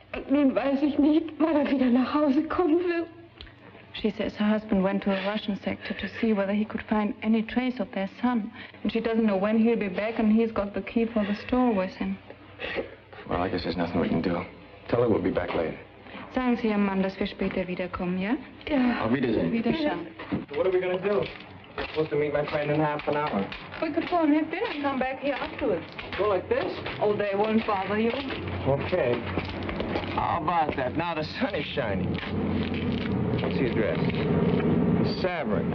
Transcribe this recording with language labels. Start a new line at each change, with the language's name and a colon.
German: Nun weiß ich nicht, wann er wieder nach Hause kommen will.
English: She says her husband went to a Russian sector to see whether he could find any trace of their son. And she doesn't know when he'll be back, and he's got the key for the store with him. Well, I guess there's nothing we can do. Tell her we'll be back later.
German: Sagen Sie Ihrem Mann, dass wir später wiederkommen, ja? Ja. Auf Wiedersehen. Wiedersehen.
English: So what are we going to do? We're supposed to meet my friend in half an hour. We could go and have dinner and come back here afterwards. Go like this? Oh, they won't bother you. Okay. How about that? Now the sun is shining. What's the address? Savarin.